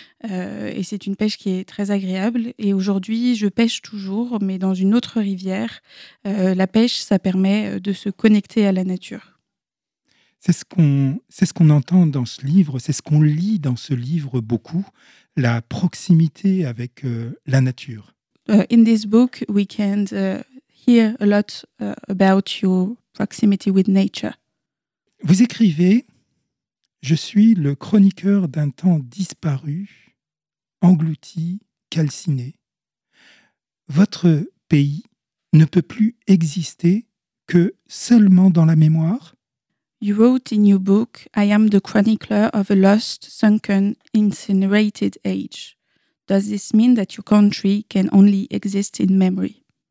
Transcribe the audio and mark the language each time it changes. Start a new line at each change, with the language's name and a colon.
French: Et c'est une pêche qui est très agréable. Et aujourd'hui, je pêche toujours, mais dans une autre rivière. La pêche, ça permet de se connecter à la nature. C'est ce qu'on entend dans ce livre, c'est ce qu'on lit dans ce livre beaucoup, la proximité avec la nature.
English: In this book, we can hear a lot about your proximity with nature.
French: Vous écrivez, je suis le chroniqueur d'un temps disparu, englouti, calciné. Votre pays ne peut plus exister que seulement dans la mémoire.
English: You wrote in your book, I am the chronicler of a lost, sunken, incinerated age. Does this mean that your country can only exist in memory?